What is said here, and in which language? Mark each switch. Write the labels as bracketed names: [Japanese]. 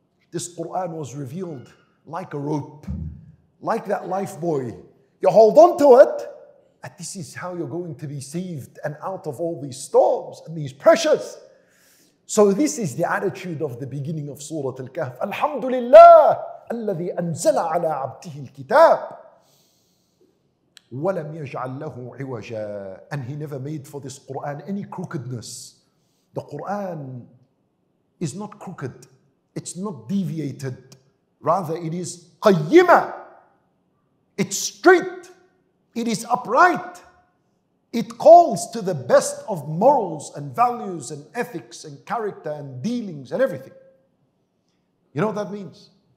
[English] This Quran was revealed like a rope, like that life buoy. You hold on to it, and this is how you're going to be saved and out of all these storms and these pressures. So this is the attitude of the beginning of Surah Al-Kahf. Alhamdulillah, [Arabic] الذي أنزل على عبده الكتاب ولم يجعل له عوجا. [English] And he never made for this Quran any crookedness. The Quran is not crooked. It's not deviated. Rather, it is قيمة. It's straight. It is upright. It calls to the best of morals and values and ethics and character and dealings and everything. You know what that means?